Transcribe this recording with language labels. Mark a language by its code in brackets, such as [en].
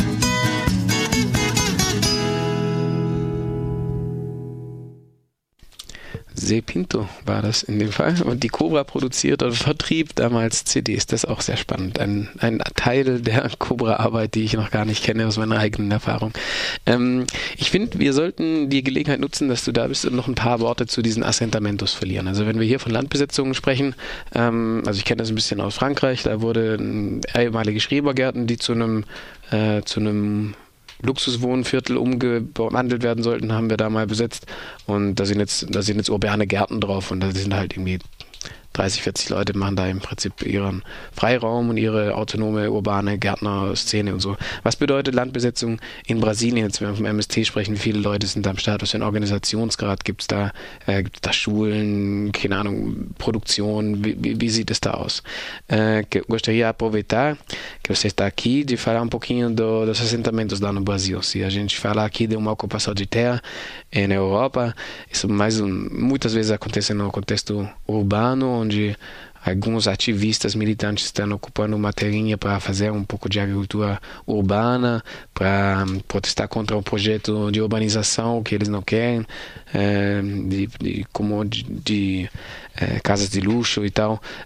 [pt] Mineira da diz, uai, uai, João do Mato tá vencido, só não foi pra nunca mais. [de] Sepinto Pinto war das in dem Fall. Und die Cobra produziert und vertrieb damals CDs. Das ist auch sehr spannend. Ein Teil der Cobra-Arbeit, die ich noch gar nicht kenne aus meiner eigenen Erfahrung. Ich finde, wir sollten die Gelegenheit nutzen, dass du da bist und noch ein paar Worte zu diesen Assentamentos verlieren. Also wenn wir hier von Landbesetzungen sprechen, also ich kenne das ein bisschen aus Frankreich, da wurde ehemalige Schrebergärten, die zu einem Luxuswohnviertel umgewandelt werden sollten, haben wir da mal besetzt. Und da sind jetzt urbane Gärten drauf und da sind halt irgendwie 30, 40 Leute machen da im Prinzip ihren Freiraum und ihre autonome urbane Gärtnerszene und so. Was bedeutet Landbesetzung in Brasilien, jetzt wenn wir vom MST sprechen, wie viele Leute sind da am Start, was für ein Organisationsgrad gibt es da? Gibt es da Schulen, keine Ahnung, Produktion, wie sieht es da aus? [pt] Gostaria aproveitar que você está aqui de falar pouquinho dos assentamentos lá no Brasil. Se a gente falar aqui de uma ocupação de terra na Europa, isso mais muitas vezes acontece no contexto urbano, onde alguns ativistas militantes estão ocupando uma terrinha para fazer um pouco de agricultura urbana, para protestar contra um projeto de urbanização que eles não querem, de casas de luxo e tal.